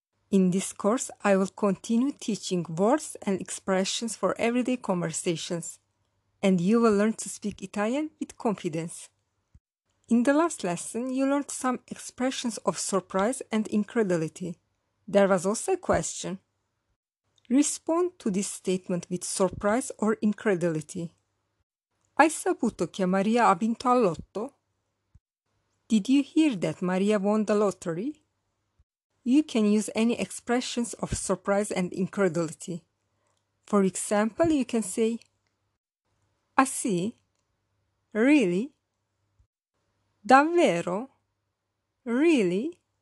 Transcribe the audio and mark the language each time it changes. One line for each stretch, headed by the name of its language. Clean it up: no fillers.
English: In this course, I will continue teaching words and expressions for everyday conversations, and you will learn to speak Italian with confidence. In the last lesson, you learned some expressions of surprise and incredulity. There was also a question. Respond to this statement with surprise or incredulity.
Italian: Hai saputo che Maria ha vinto al lotto?
English: Did you hear that Maria won the lottery? You can use any expressions of surprise and incredulity. For example, you can say,
Italian: Ah sì?
English: Really?
Italian: Davvero?
English: Really?